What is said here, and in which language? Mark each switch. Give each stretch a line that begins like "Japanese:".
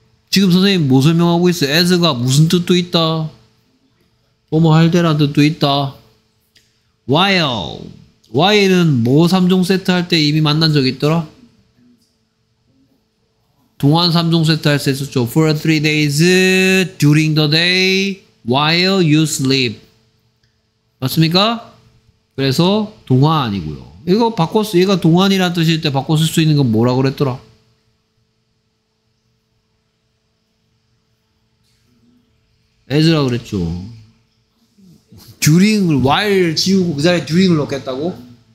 Korean: 지금 선생님 뭐 설명하고 있어? as가 무슨 뜻도 있다. 뭐뭐 할 때란 뜻도 있다. while. while은 뭐 3종 세트 할 때 이미 만난 적 있더라? 동안 3종 세트 할 수 있었죠.
English: for 3 days, during the day, while you sleep.
Korean: 맞습니까? 그래서 동안 아니고요. 이거 바꿨어. 얘가 동안이라는 뜻일 때 바꿔 쓸 수 있는 건 뭐라 그랬더라? 에즈라 그랬죠. during을, while 지우고 그 자리에 during을 넣겠다고?